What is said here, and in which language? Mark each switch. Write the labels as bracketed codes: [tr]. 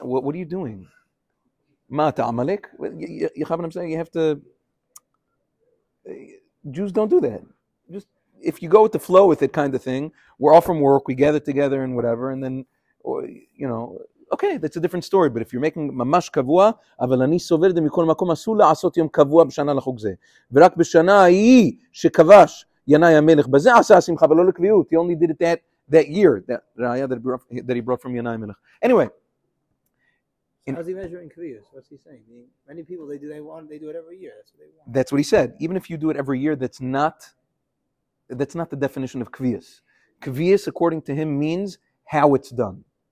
[en] What are you doing? Ma ta'amalik? You have what I'm saying? You have to... Jews don't do that. Just if you go with the flow with it kind of thing, we're all from work, we gather together and whatever, and then, you know, okay, that's a different story. [he] But if you're making mamash kavua, אבל אני סובר את זה מכל מקום, אסור לעשות יום קבוע בשנה לחוק זה. ורק בשנה ההיא שכבש ינאי המלך, בזה עשה השמחה ולא לקביעות. [en] He only did it that... That year, that he brought from Yanai Melech. Anyway, how's he measuring kviyus? What's he saying? Many people they do it every year. That's what they want. That's what he said. Even if you do it every year, that's not the definition of kviyus. Kviyus, according to him, means how it's done.